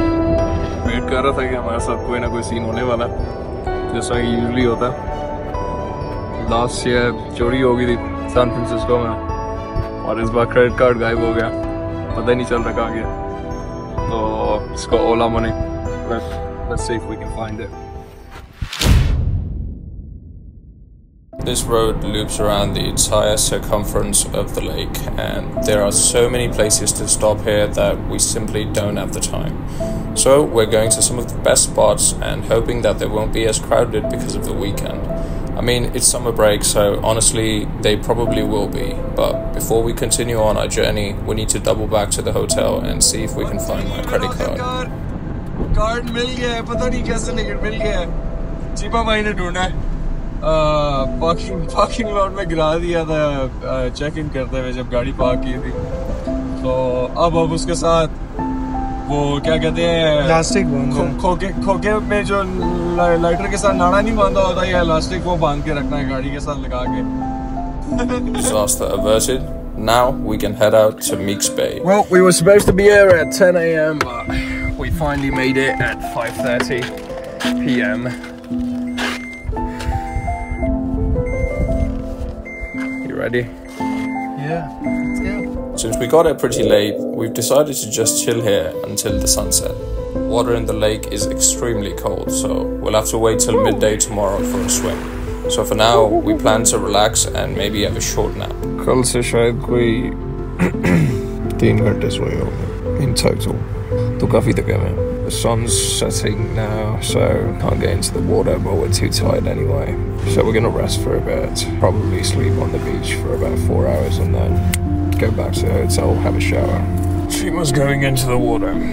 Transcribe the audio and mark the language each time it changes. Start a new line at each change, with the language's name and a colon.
Hindi: कर रहा था कि हमारे साथ कोई ना कोई सीन होने वाला जैसा कि यूजली होता लास्ट ईयर चोरी हो गई थी सैन फ्रांसिस्को में और इस बार क्रेडिट कार्ड गायब हो गया पता ही नहीं चल रहा कहाँ गया तो इसको ओला money
English: Let's see if we can find it This road loops around the entire circumference of the lake, and there are so many places to stop here that we simply don't have the time. So we're going to some of the best spots and hoping that they won't be as crowded because of the weekend. I mean, it's summer break, so honestly, they probably will be. But before we continue on our journey, we need to double back to the hotel and see if we can find my credit card.
Hindi: Card mil gaya, pata nahi kaise lekin mil gaya. Cheema bhai ne dhoonda hai. Parking lot में गिरा दिया था check in करते हुए जब गाड़ी park की थी तो अब उसके साथ वो क्या कहते हैं इलास्टिक खोके में जो लाइटर के साथ नाड़ा नहीं बांधा होता ये इलास्टिक वो बांध के रखना है गाड़ी के साथ लगा के
English: Disaster averted. Now we can head out to Meeks Bay. Well, we were supposed to be here at 10 a.m., but we finally made it at 5:30 p.m. Ready? Yeah, let's go. Since we got here pretty late, we've decided to just chill here until the sunset. Water in the lake is extremely cold, so we'll have to wait till midday tomorrow for a swim. So for now, we plan to relax and maybe have a short nap.
Hindi: कल से शायद कोई तीन घंटे सोए होंगे
English: in total.
Hindi: तो काफी थके हैं.
English: The sun's setting now, so can't get into the water, but we're too tired anyway. So we're gonna rest for a bit, probably sleep on the beach for about 4 hours, and then go back to the hotel, have a shower. Cheema's going into the water,